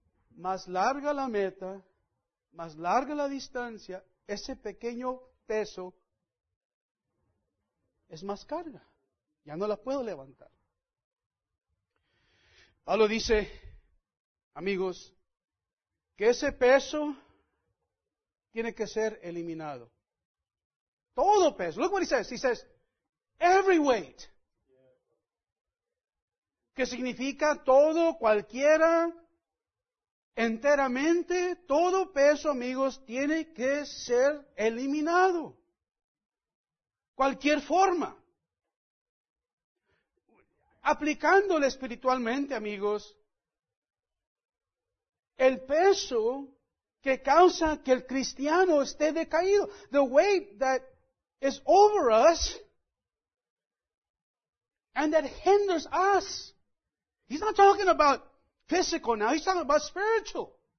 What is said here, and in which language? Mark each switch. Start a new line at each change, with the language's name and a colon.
Spanish: Más larga la meta, más larga la distancia, ese pequeño peso es más carga. Ya no la puedo levantar. Pablo dice, amigos, que ese peso tiene que ser eliminado. Todo peso.
English: Look what he says. He says, every weight.
Spanish: Que significa todo, cualquiera, enteramente. Todo peso, amigos, tiene que ser eliminado. Cualquier forma. Aplicándole espiritualmente, amigos, el peso que causa que el cristiano esté decaído.
English: The weight that is over us and that hinders us. He's not talking about physical now. He's talking about spiritual.